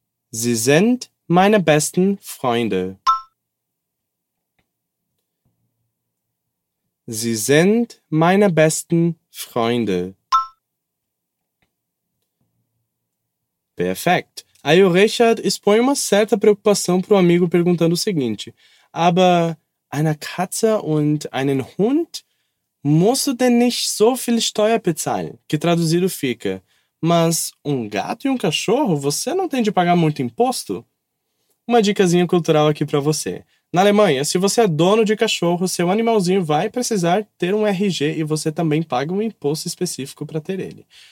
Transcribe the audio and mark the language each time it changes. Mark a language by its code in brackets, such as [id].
[de] Sie sind meine besten Freunde. Sie sind meine besten Freunde. Perfekt. [pt] Aí o Richard expõe uma certa preocupação para o amigo perguntando o seguinte. [de] Aber eine Katze und einen Hund musst du denn nicht so viel Steuer bezahlen? [pt] Que traduzido fica. Mas um gato e um cachorro, você não tem de pagar muito imposto? Uma dicasinha cultural aqui para você. Na Alemanha, se você é dono de cachorro, seu animalzinho vai precisar ter um RG e você também paga um imposto específico para ter ele.